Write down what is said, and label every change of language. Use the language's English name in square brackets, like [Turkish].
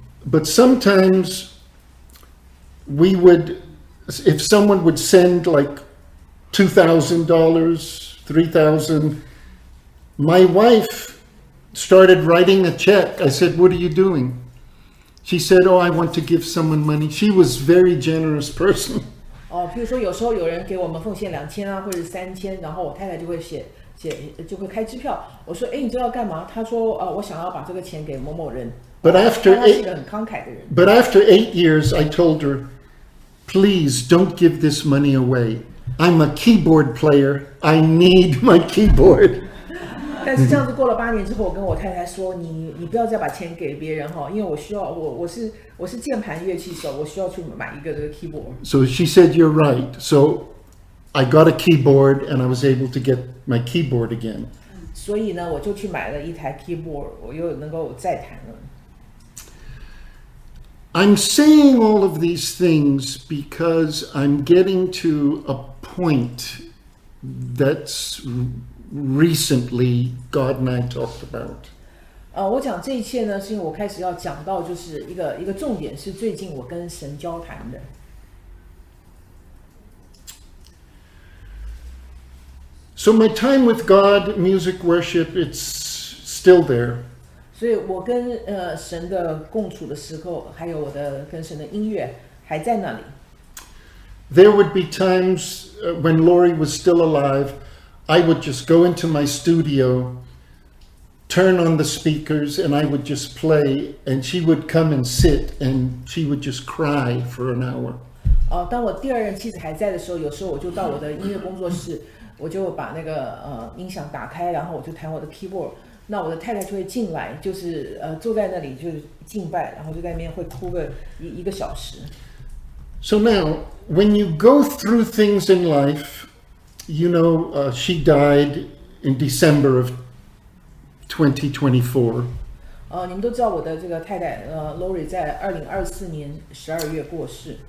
[English] But sometimes we would, if someone would send like $2,000, $3,000, my wife started writing a check. I said, "What are you doing?" She said, "Oh, I want to give someone money." She was a very generous person. [Chinese] 哦，譬如说有时候有人给我们奉献2000啊，或者3000，然后我太太就会写。就会开支票。我说：“哎，你知道干嘛？” 他说：“我想要把这个钱给某某人。 [English] ”But after eight, [Chinese] 他是一个很慷慨的人。 [English] But after 8 years, I told her, "Please don't give this money away. I'm a keyboard player. I need my keyboard." [Chinese] 但是这样子过了8年之后，我跟我太太说：“你不要再把钱给别人哈，因为我需要我是键盘乐器手，我需要去买一个这个 keyboard。 [English] ”So she said, "You're right." So. I got a keyboard, and I was able to get my keyboard again. [Chinese] 所以呢，我就去买了一台 keyboard， 我又能够再弹了。 [English] I'm saying all of these things because I'm getting to a point that's recently God and I talked about. [Chinese] 我讲这一切呢，是因为我开始要讲到，就是一个重点是最近我跟神交谈的。 [English] So my time with God, music, worship, it's still there. [Chinese] 所以我跟神的共处的时候，还有我的跟神的音乐还在那里。 [English] There would be times when Lori was still alive, I would just go into my studio, turn on the speakers, and I would just play, and she would come and sit, and she would just cry for an hour. [Chinese] 当我第二任妻子还在的时候，有时候我就到我的音乐工作室。我就把那个音响打开，然后我就弹我的 keyboard。那我的太太就会进来，就是坐在那里就敬拜，然后就在那边会哭个一个小时。 [English] So now, when you go through things in life, you know, she died in December of 2024. [Chinese] 你们都知道我的这个太太Lori 在2024年12月过世。